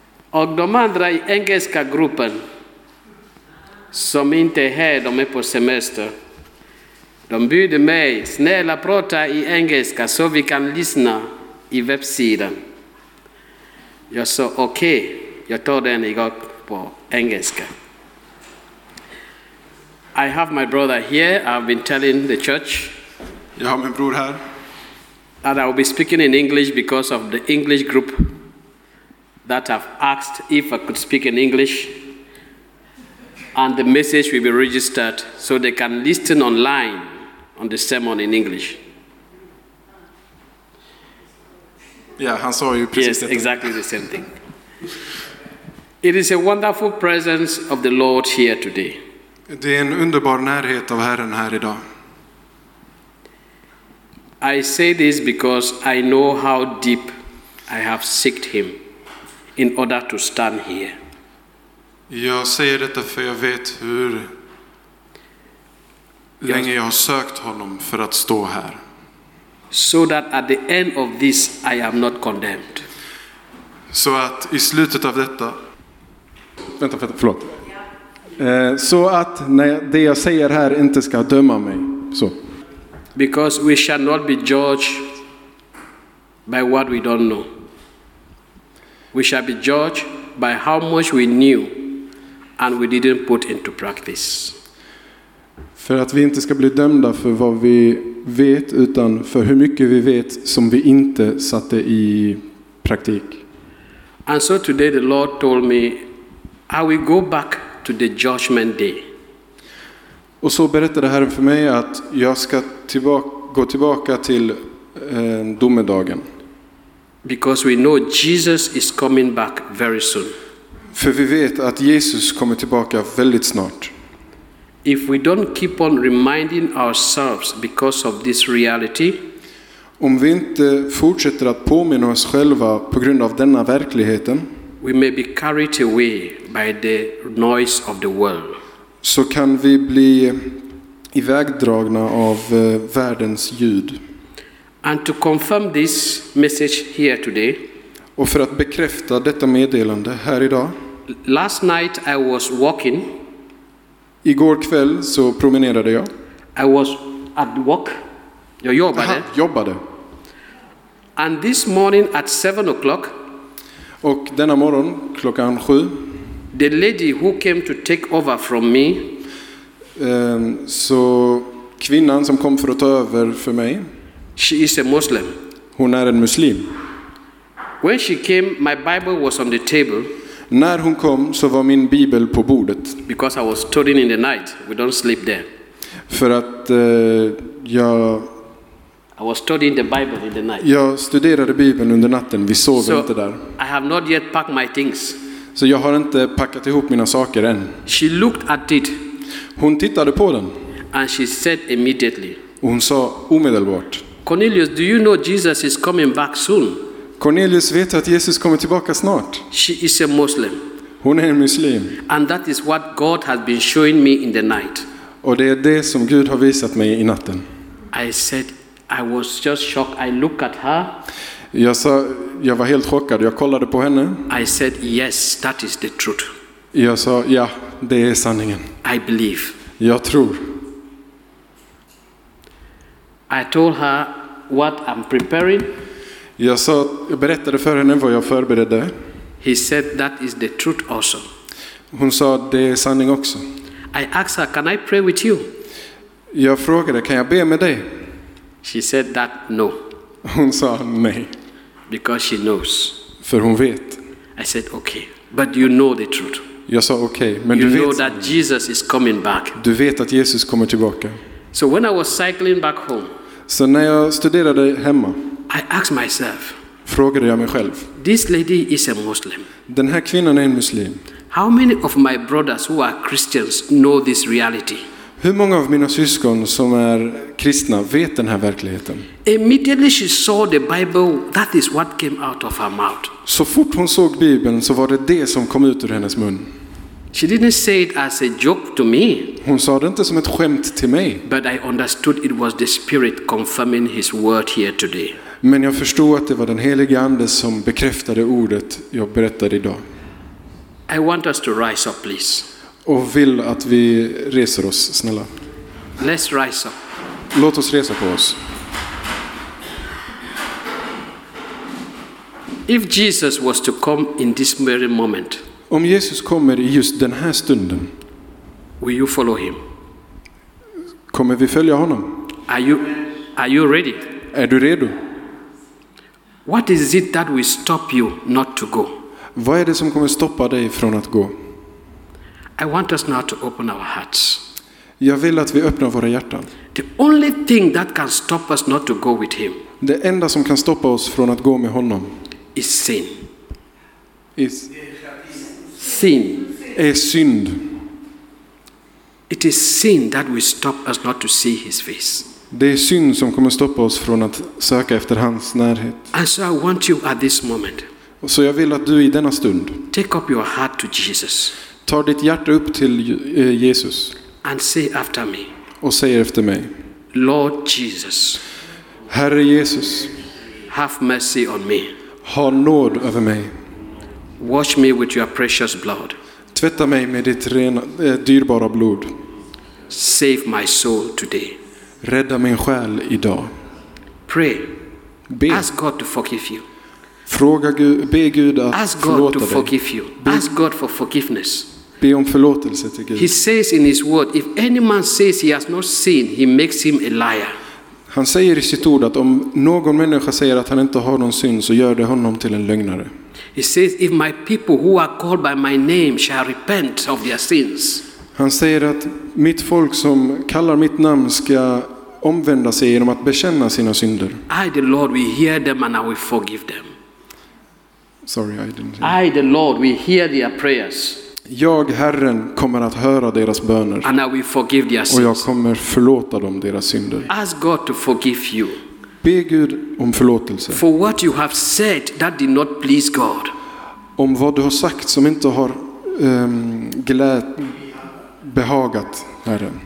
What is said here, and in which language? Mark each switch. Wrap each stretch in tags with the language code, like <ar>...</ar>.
<sv>Och de andra I engelska gruppen som inte är här, de är på semester. De bjuder mig, snälla prata I engelska så vi kan lyssna I webbsidan. Jag sa okej, jag tar den igång på engelska.</sv> <en>I have my brother here, I've been telling the church.</en> <sv>Jag har min bror här.</sv> <en>And I will be speaking in English because of the English group that have asked if I could speak in English. And the message will be registered so they can listen online on the sermon in English.</en> <sv>Yeah, han sa ju precis</sv> <en>yes, exactly the same thing. It is a wonderful presence of the Lord here today.</en> <sv>Det är en underbar närhet av Herren här idag.</sv> <en>I say this because I know how deep I have sought him in order to stand here.</en> <sv>Jag säger detta för jag vet hur länge jag har sökt honom för att stå här.</sv> <en>So that at the end of this I am not condemned.</en> <sv>Så att I slutet av detta vänta förlåt. Så att när det jag säger här inte ska döma mig så.</sv> <en>Because we shall not be judged by what we don't know. We shall be judged by how much we knew and we didn't put into practice.</en> <sv>För att vi inte ska bli dömda för vad vi vet utan för hur mycket vi vet som vi inte satte I praktik.</sv> <en>And so today the Lord told me, I will go back to the judgment day.</en> <sv>Och så berättade Herren för mig att jag ska gå tillbaka till domedagen.</sv> <en>Because we know Jesus is coming back very soon.</en> <sv>För vi vet att Jesus kommer tillbaka väldigt snart.</sv> <en>If we don't keep on reminding ourselves because of this reality,</en> <sv>om vi inte fortsätter att påminna oss själva på grund av denna verkligheten,</sv> <en>we may be carried away by the noise of the world.</en> <sv>Så kan vi bli ivägdragna av världens ljud.</sv> <en>And to confirm this message here today.</en> <sv>Och för att bekräfta detta meddelande här idag.</sv> <en>Last night I was walking.</en> <sv>Igår kväll så promenerade jag.</sv> <en>I was at work.</en> <sv>Jag jobbade.</sv> <en>And this morning at 7 o'clock.</en> <sv>Och denna morgon klockan 7.</sv> <en>The lady who came to take over from me.</en> <sv>Så kvinnan som kom för att ta över för mig.</sv> <en>She is a Muslim.</en> <sv>Hon är en muslim.</sv> <en>When she came, my Bible was on the table.</en> <sv>När hon kom så var min bibel på bordet.</sv> <en>Because I was studying in the night. We don't sleep there.</en> <sv>För att</sv> <en>I was studying the Bible in the night.</en> <sv>Jag studerade bibeln under natten. Vi sov</sv> <en>so,</en> <sv>inte där.</sv> <en>I have not yet packed my things.</en> <sv>Så jag har inte packat ihop mina saker än.</sv> <en>She looked at it.</en> <sv>Hon tittade på den.</sv> <en>And she said immediately.</en> <sv>Och hon sa omedelbart.</sv> <en>Cornelius, do you know Jesus is coming back soon?</en> <sv>Cornelius, vet att Jesus kommer tillbaka snart?</sv> <en>She is a Muslim.</en> <sv>Hon är en muslim.</sv> <en>And that is what God has been showing me in the night.</en> <sv>Och det är det som Gud har visat mig I natten.</sv> <en>I said, I was just shocked. I looked at her.</en> <sv>Jag var helt chockad. Jag kollade på henne.</sv> <en>I said, yes, that is the truth.</en> <sv>Jag sa, ja, det är sanningen.</sv> <en>I believe.</en> <sv>Jag tror.</sv> <en>I told her what I'm preparing.</en> <sv>Jag berättade för henne vad jag förberedde.</sv> <en>He said, that is the truth also.</en> <sv>Hon sa, det är sanning också.</sv> <en>I asked her, can I pray with you?</en> <sv>Jag frågade, kan jag be med dig?</sv> <en>She said that no.</en> <sv>Hon sa nej.</sv> <en>Because she knows.</en> <sv>För hon vet.</sv> <en>I said okay, but you know the truth.</en> <sv>Jag sa okej, men</sv> <en>you</en> <sv>du vet.</sv> <en>You know that Jesus is coming back.</en> <sv>Du vet att Jesus kommer tillbaka.</sv> <en>So when I was cycling back home.</en> <sv>Så när jag studerade hemma.</sv> <en>I asked myself.</en> <sv>Frågade jag mig själv.</sv> <en>This lady is a Muslim.</en> <sv>Den här kvinnan är en muslim.</sv> <en>How many of my brothers who are Christians know this reality?</en> <sv>Hur många av mina syskon som är kristna vet den här verkligheten?</sv> <en>Immediately she saw the Bible, that is what came out of her mouth.</en> <sv>Så fort hon såg Bibeln så var det det som kom ut ur hennes mun.</sv> <en>She didn't say it as a joke to me.</en> <sv>Hon sa det inte som ett skämt till mig.</sv> <en>But I understood it was the Spirit confirming his word here today.</en> <sv>Men jag förstod att det var den helige ande som bekräftade ordet jag berättade idag.</sv> <en>I want us to rise up, please.</en> <sv>Och vill att vi reser oss, snälla.</sv> <en>Let's rise up.</en> <sv>Låt oss resa på oss.</sv> <en>If Jesus was to come in this very moment.</en> <sv>Om Jesus kommer i just den här stunden.</sv> <en>Will you follow him?</en> <sv>Kommer vi följa honom?</sv> <en>Are you ready?</en> <sv>Är du redo?</sv> <en>What is it that will stop you not to go?</en> <sv>Vad är det som kommer stoppa dig från att gå?</sv> <en>I want us now to open our hearts.</en> <sv>Jag vill att vi öppnar våra hjärtan.</sv> <en>The only thing that can stop us not to go with him.</en> <sv>Det enda som kan stoppa oss från att gå med honom.</sv> <en>Is sin. Is sin.</en> <sv>Är synd.</sv> <en>It is sin that will stop us not to see his face.</en> <sv>Det är synd som kommer stoppa oss från att söka efter hans närhet.</sv> <en>And so I want you at this moment.</en> <sv>Så jag vill att du i denna stund.</sv> <en>Take up your heart to Jesus.</en> <sv>Ta ditt hjärta upp till Jesus.</sv> <en>And say after me.</en> <sv>Och säger efter mig.</sv> <en>Lord Jesus.</en> <sv>Herre Jesus.</sv> <en>Have mercy on me.</en> <sv>Ha nåd över mig.</sv> <en>Wash me with your precious blood.</en> <sv>Tvätta mig med ditt rena, dyrbara blod.</sv> <en>Save my soul today.</en> <sv>Rädda min själ idag.</sv> <en>Pray.</en> <sv>Be.</sv> <en>Ask God to forgive you.</en> <sv>Fråga Gud, be Gud att</sv> <en>ask God</en> <sv>förlåta dig.</sv> <en>Forgive you.</en> <sv>Be.</sv> <en>Ask God for forgiveness.</en> <sv>Be om förlåtelse till Gud.</sv> <en>He says in his word, if any man says he has not sinned, he makes him a liar.</en> <sv>Han säger i sitt ord att om någon människa säger att han inte har någon synd, så gör det honom till en lögnare.</sv> <en>He says, if my people who are called by my name shall repent of their sins.</en> <sv>Han säger att mitt folk som kallar mitt namn ska omvända sig genom att bekänna sina synder.</sv> <en>I the Lord we hear them and I will forgive them. Sorry, I didn't hear. I the Lord we hear their prayers.</en> <sv>Jag Herren kommer att höra deras böner.</sv> <en>And I will forgive their sins.</en> <sv>Och jag kommer förlåta dem deras synder.</sv> <en>Ask God to forgive you.</en> <sv>Be Gud om förlåtelse.</sv> <en>For what you have said that did not please God.</en> <sv>Om vad du har sagt som inte har glädjat behagat Herren.</sv>